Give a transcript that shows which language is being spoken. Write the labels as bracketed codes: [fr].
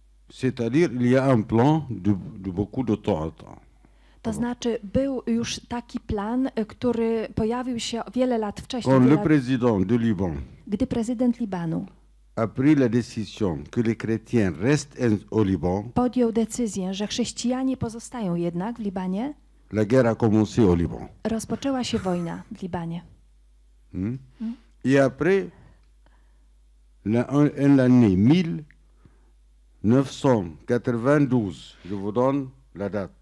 [fr] C'est-à-dire, il y a un plan de beaucoup de temps à temps. [pl] To znaczy, był już taki plan, który pojawił się wiele lat wcześniej. [fr] Quand le président de Liban. [pl] Gdy prezydent Libanu. [fr] A pris la décision que les chrétiens restent au Liban. [pl] Podjął decyzję, że chrześcijanie pozostają jednak w Libanie. [fr] La guerre a commencé au Liban. [pl] Rozpoczęła się wojna w Libanie. [fr] Et après. En l'année 1992, je vous donne la date.